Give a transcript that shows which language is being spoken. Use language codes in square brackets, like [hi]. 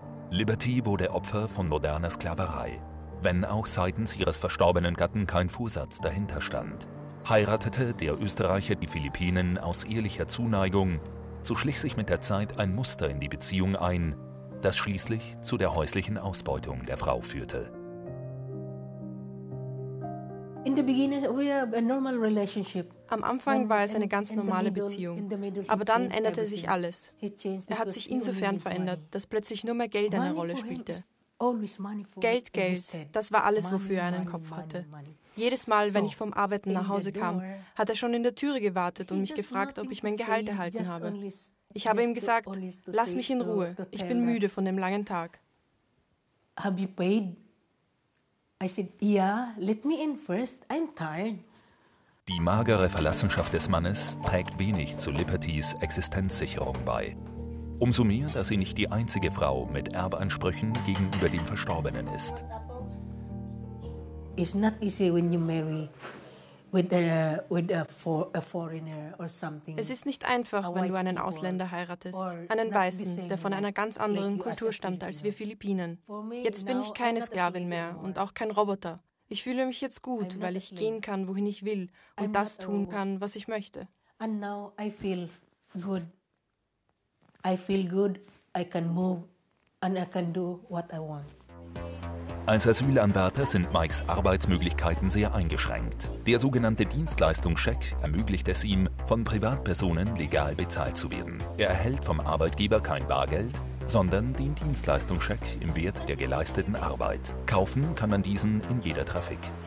[de] Liberty wurde Opfer von moderner Sklaverei, wenn auch seitens ihres verstorbenen Gatten kein Vorsatz dahinter stand. Heiratete der Österreicher die Philippinen aus ehrlicher Zuneigung, so schlich sich mit der Zeit ein Muster in die Beziehung ein, das schließlich zu der häuslichen Ausbeutung der Frau führte. [en] In the beginning we have a normal relationship. [de] Am Anfang war es eine ganz normale Beziehung. Aber dann änderte sich alles. Er hat sich insofern verändert, dass plötzlich nur mehr Geld eine Rolle spielte. Geld, Geld, das war alles, wofür er einen Kopf hatte. Jedes Mal, wenn ich vom Arbeiten nach Hause kam, hat er schon in der Türe gewartet und mich gefragt, ob ich mein Gehalt erhalten habe. Ich habe ihm gesagt, lass mich in Ruhe, ich bin müde von dem langen Tag. [en] Have you paid? I said, yeah, let me in first, I'm tired. [de] Die magere Verlassenschaft des Mannes trägt wenig zu Libertys Existenzsicherung bei. Umso mehr, dass sie nicht die einzige Frau mit Erbansprüchen gegenüber dem Verstorbenen ist. [en] It's not easy when you marry with a foreigner or something. [de] Es ist nicht einfach, wenn du einen Ausländer heiratest, einen Weißen, der von einer ganz anderen Kultur stammt als wir Philippinen. Jetzt bin ich keine Sklavin mehr und auch kein Roboter. Ich fühle mich jetzt gut, weil ich gehen kann, wohin ich will und das tun kann, was ich möchte. [en] And now I feel good. I feel good. I can move and I can do what I want. [de] Als Asylanwärter sind Mikes Arbeitsmöglichkeiten sehr eingeschränkt. Der sogenannte Dienstleistungscheck ermöglicht es ihm, von Privatpersonen legal bezahlt zu werden. Er erhält vom Arbeitgeber kein Bargeld, sondern den Dienstleistungscheck im Wert der geleisteten Arbeit. Kaufen kann man diesen in jeder Trafik.